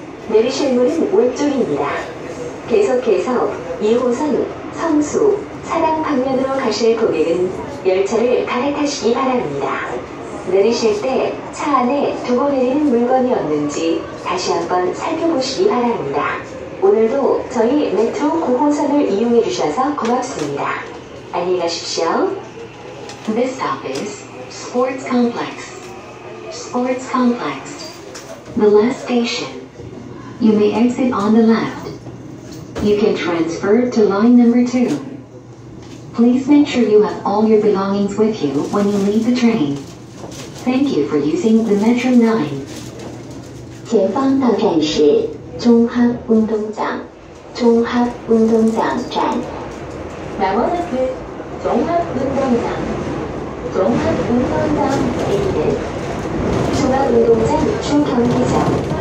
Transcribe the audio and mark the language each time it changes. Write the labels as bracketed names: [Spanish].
[Korean] 내리실 문은 왼쪽입니다. 계속해서 2호선 성수 사당 방면으로 가실 고객은 열차를 갈아타시기 바랍니다. 내리실 때 차 안에 두고 내리는 물건이 없는지 다시 한번 살펴보시기 바랍니다. 오늘도 저희 메트로 9호선을 이용해 주셔서 고맙습니다. 안녕히 가십시오. [English] This stop is Sports Complex. Sports Complex. The last station. You may exit on the left. You can transfer to line number 2. Please make sure you have all your belongings with you when you leave the train. Thank you for using the Metro 9. [Chinese] 前方到站是 종합운동장. 종합운동장站. Now on the good. 종합운동장. [Korean] 종합운동장 주경기장.